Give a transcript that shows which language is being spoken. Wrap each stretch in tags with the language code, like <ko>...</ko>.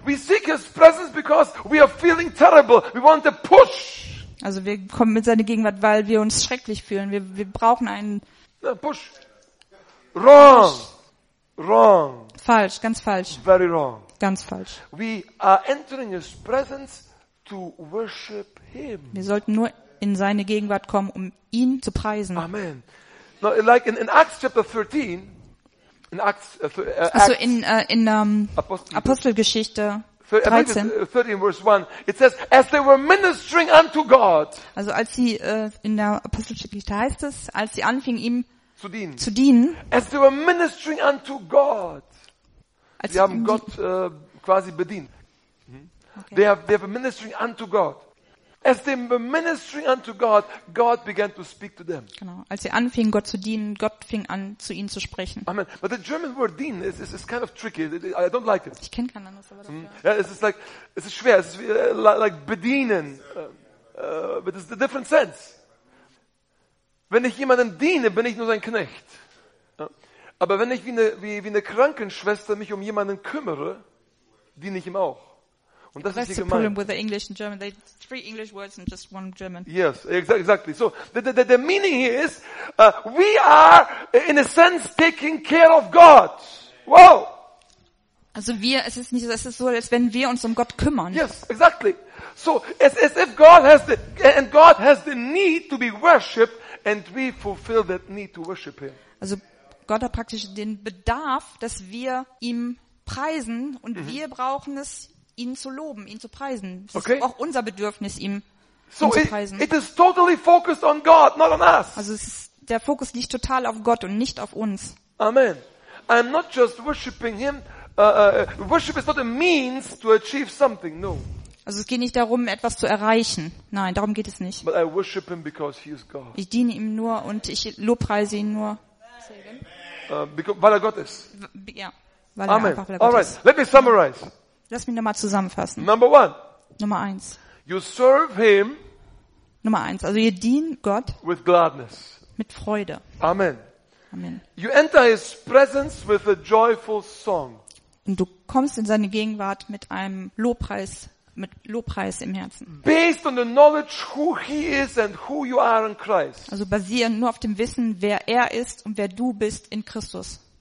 <en>We seek his presence because we are feeling terrible. We want a push.</en> <de>Also wir kommen mit seiner Gegenwart, weil wir uns schrecklich fühlen. Wir brauchen einen</de> <en>Push. Wrong. Wrong.</en> <de>Falsch, ganz falsch.</de> <en>Very wrong.</en> <de>Ganz falsch.</de> <en>We are entering his presence to worship him.</en> <de>Wir sollten nur in seine Gegenwart kommen, um ihn zu preisen.</de> <en>Amen. Now, like in Acts chapter 13, in Acts,</en> <de>also in Apostelgeschichte 13.</de> <en>13 verse 1, it says, as they were ministering unto God.</en> <de>Also als sie in der Apostelgeschichte heißt es, als sie anfingen ihm zu dienen.</de> <en>As they were ministering unto God.</en> <de>Sie haben Gott quasi bedient.</de> <en>Okay. They have ministering unto God. As they were ministering unto God, God began to speak to them.</en> <de>Genau, als sie anfingen, Gott zu dienen, Gott fing an, zu ihnen zu sprechen.</de> <en>Amen. But the German word "dienen" is kind of tricky. I don't like it.</en> <de>Ich kenne kein anderes Wort dafür.</de> <en>Yeah, it's schwer. It's like bedienen, but it's a different sense.</en> <de>Wenn ich jemandem diene, bin ich nur sein Knecht. Aber wenn ich wie eine Krankenschwester mich um jemanden kümmere, diene ich ihm auch. Und das</de> <en>That's</en> <de>ist hier</de> <en>the problem with the English and German. They three English words and just one German. Yes, exactly. So the meaning here is we are in a sense taking care of God. Wow.</en> <de>Also wir, es ist nicht so, es ist so, als wenn wir uns um Gott kümmern.</de> <en>Yes, exactly. So as if God has the need to be worshipped and we fulfill that need to worship Him.</en> <de>Also Gott hat praktisch den Bedarf, dass wir ihm preisen und wir brauchen es, ihn zu loben, ihn zu preisen. Das</de> <en>okay.</en> <de>ist auch unser Bedürfnis, ihm</de> <en>so</en> <de>ihn zu preisen.</de> <en>It is totally focused on God, not on us.</en> <de>Also es ist, der Fokus liegt total auf Gott und nicht auf uns.</de> <en>Amen. I'm not just worshiping him. Worship is not a means to achieve something. No.</en> <de>Also es geht nicht darum, etwas zu erreichen. Nein, darum geht es nicht.</de> <en>But I worship him because he is God.</en> <de>Ich diene ihm nur und ich lobpreise ihn nur. Weil er Gott ist. Ja, weil er einfach Gott ist.</de> <en>All right, let me summarize.</en> <de>Lass mich nochmal zusammenfassen.</de> <en>Number one.</en> <de>Nummer eins.</de> <en>You serve him.</en> <de>Nummer eins. Also ihr dient Gott.</de> <en>With gladness.</en> <de>Mit Freude.</de> <en>Amen. Amen. You enter his presence with a joyful song.</en> <de>Und du kommst in seine Gegenwart mit einem Lobpreis, mit Lobpreis im Herzen.</de> <en>Based on the knowledge who he is and who you are in Christ.</en> <de>Also basierend nur auf dem Wissen, wer er ist und wer du bist in Christus.</de>